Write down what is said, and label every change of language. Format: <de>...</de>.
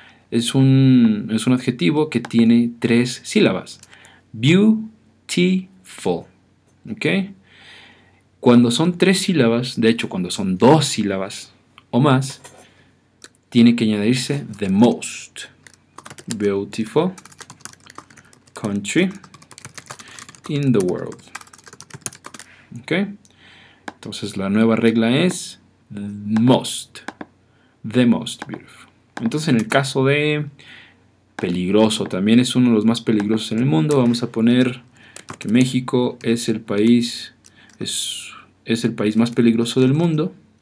<es>Es un adjetivo que tiene tres sílabas. Beautiful. ¿Ok? Cuando son tres sílabas, de hecho, cuando son dos sílabas o más, tiene que añadirse the most.</es> <en>Beautiful country in the world.</en> <es>¿Ok? Entonces, la nueva regla es most.</es> <en>The most beautiful.</en> <es>Entonces, en el caso de peligroso, también es uno de los más peligrosos en el mundo. Vamos a poner que México es el país, es el país más peligroso del mundo.</es>